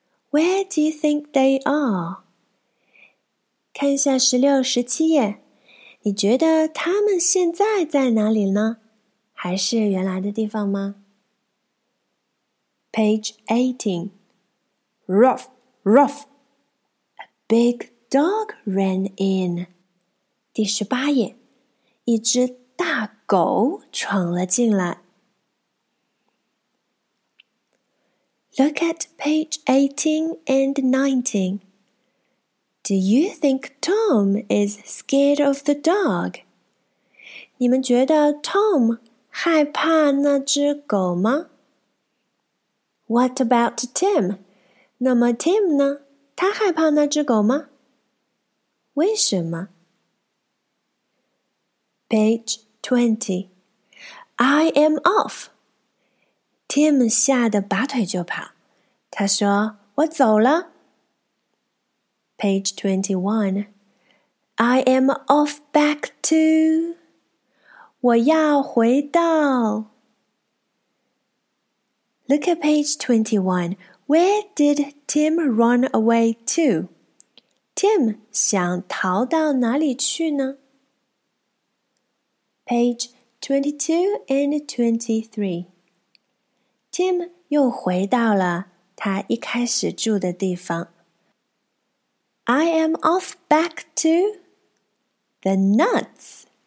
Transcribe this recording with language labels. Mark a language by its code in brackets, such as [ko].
[en] Where do you think they are? [zh] 看一下16、17页，你觉得他们现在在哪里呢？还是原来的地方吗？ [en] Page 18. Ruff, ruff. A big dog ran in. [zh] 第十八页，一只大狗闯了进来。 [en] Look at page 18 and 19. Do you think Tom is scared of the dog? [zh] 你们觉得 Tom 害怕那只狗吗？ [en] What about Tim? [zh] 那么 Tim 呢？他害怕那只狗吗？为什么？ [en] Page 20. I am off. [zh] Tim 吓得拔腿就跑。他说，我走了。 [en] Page 21. I am off back to... [zh] 我要回到。 [en] Look at page 21. Where did Tim run away to? [zh] Tim 想逃到哪里去呢？ [en] Page 22 and 23. [zh] Tim 又回到了他一开始住的地方。 [en] I am off back to the nuts.